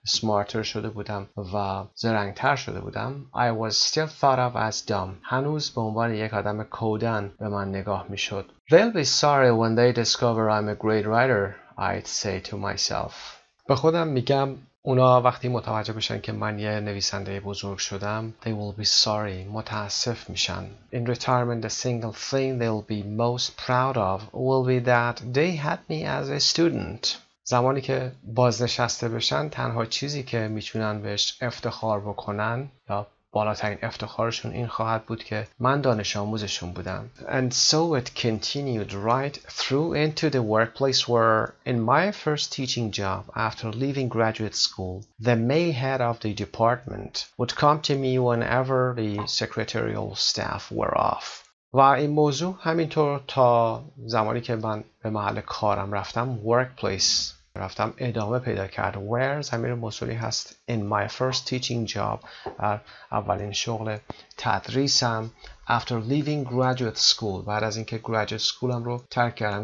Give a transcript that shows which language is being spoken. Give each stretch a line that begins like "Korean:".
English: Smarter
Persian: شده بودم و زرنگتر شده بودم.
English: I was still thought of as dumb.
Persian: هنوز به عنوان یک آدم کودن به من نگاه میشد.
English: They'll be sorry when they discover I'm a great writer, I'd say to myself.
Persian: به خودم میگم اونا وقتی متوجه بشن که من یه نویسنده بزرگ شدم
English: they will be sorry
Persian: متاسف میشن.
English: In retirement the single thing they'll be most proud of will be that they had me as a student.
Persian: زمانی که بازنشسته بشن تنها چیزی که میتونن بهش افتخار بکنن یا بالاترین افتخارشون این خواهد بود که من دانش آموزشون بودم.
English: And so it continued right through into the workplace where in my first teaching job after leaving graduate school the male head of the department would come to me whenever the secretarial staff were off.
Persian: و این موضوع همینطور تا زمانی که من به محل کارم رفتم workplace رفتم ادامه پیدا کرد.
English: Where
Persian: زمیر موصولی هست.
English: In my first teaching job
Persian: در اولین شغل تدریسم.
English: After leaving graduate school
Persian: بعد از اینکه graduate schoolم رو ترک کردم.